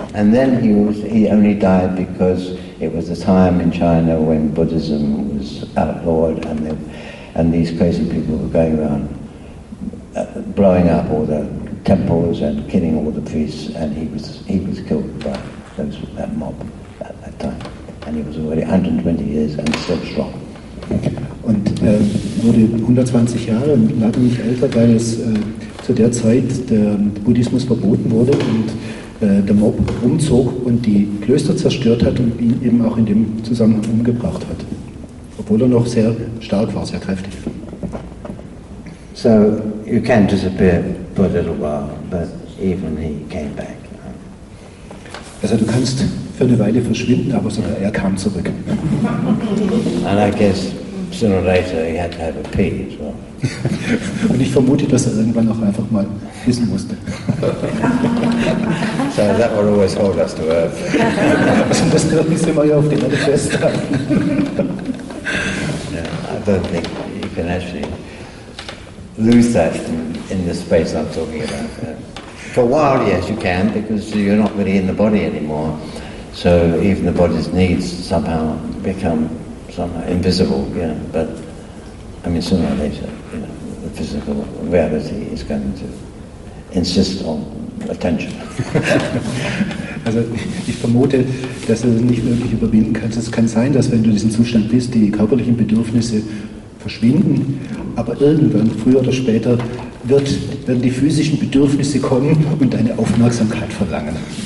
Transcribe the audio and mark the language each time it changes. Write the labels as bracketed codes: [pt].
[en] And then he only died because it was a time in China when Buddhism was outlawed and these crazy people were going around blowing up all the temples and killing all the priests, and he was killed by that mob at that time. And he was already 120 years and still strong. [de] Und wurde 120 Jahre und leider nicht älter, weil es zu der Zeit der Buddhismus verboten wurde und der Mob umzog und die Klöster zerstört hat und ihn eben auch in dem Zusammenhang umgebracht hat. Obwohl er noch sehr stark war, sehr kräftig. [en] So, you can disappear for a little while, but even he came back. [de] Also du kannst für eine Weile verschwinden, aber sogar er kam zurück. [en] And I guess sooner or later he had to have a pee as well. [de] Und ich vermute, dass er irgendwann auch einfach mal pissen musste. [en] So that will always hold us to earth. [de] Also das wird uns immer hier auf die Erde festhalten. [en] Yeah, I don't think you can actually lose that in the space I'm talking about. For a while, yes, you can, because you're not really in the body anymore. So even the body's needs somehow become somehow invisible, you know. But, I mean, sooner or later, you know, the physical reality is going to insist on attention. [de] Also ich vermute, dass du das nicht wirklich überwinden kannst. Es kann sein, dass wenn du in diesem Zustand bist, die körperlichen Bedürfnisse verschwinden, aber irgendwann, früher oder später, werden die physischen Bedürfnisse kommen und deine Aufmerksamkeit verlangen.